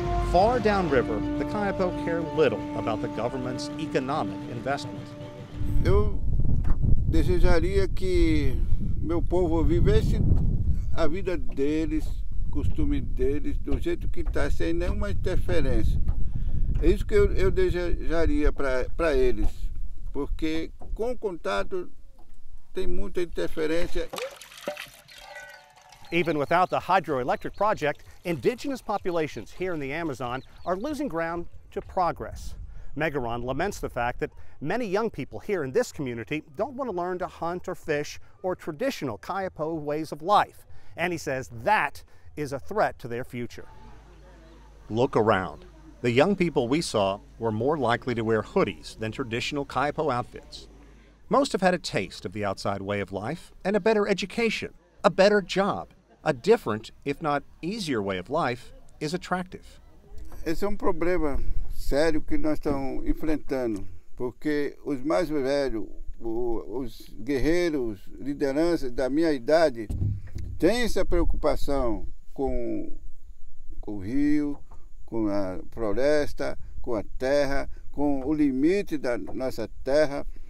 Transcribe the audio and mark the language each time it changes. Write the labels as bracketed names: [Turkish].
[English] Far downriver, the Caiapó care little about the government's economic investment. [Portuguese] Desejaria que meu povo vivesse a vida deles, costume deles, do jeito que está, sem nenhuma interferência. É isso que eu desejaria para eles, porque com o contato tem muita interferência. [English] Even without the hydroelectric project, indigenous populations here in the Amazon are losing ground to progress. Megaron laments the fact that many young people here in this community don't want to learn to hunt or fish or traditional Caiapó ways of life. And he says that is a threat to their future. Look around. The young people we saw were more likely to wear hoodies than traditional Caiapó outfits. Most have had a taste of the outside way of life and a better education, a better job. A different, if not easier, way of life is attractive. [Portuguese] Esse é problema sério que nós estamos enfrentando, porque os mais velhos, os guerreiros, lideranças da minha idade, têm essa preocupação com o rio, com a floresta, com a terra, com o limite da nossa terra.